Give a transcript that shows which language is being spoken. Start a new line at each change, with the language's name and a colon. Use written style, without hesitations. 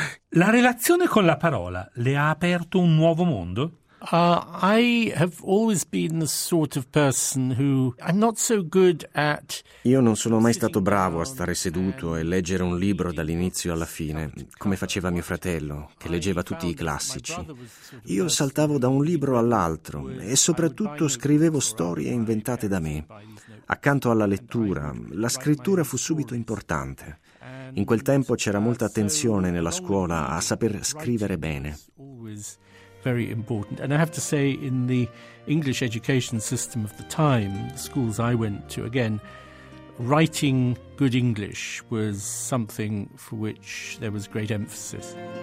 Italian: La relazione con la parola le ha aperto un nuovo mondo?
English: I have always been the sort of person who I'm not so good at.
Italian: Io non sono mai stato bravo a stare seduto e leggere un libro dall'inizio alla fine, come faceva mio fratello, che leggeva tutti i classici. Io saltavo da un libro all'altro e soprattutto scrivevo storie inventate da me. Accanto alla lettura, la scrittura fu subito importante. In quel tempo c'era molta attenzione nella scuola a saper scrivere bene.
English: Very important. And I have to say, in the English education system of the time, the schools I went to, again, writing good English was something for which there was great emphasis.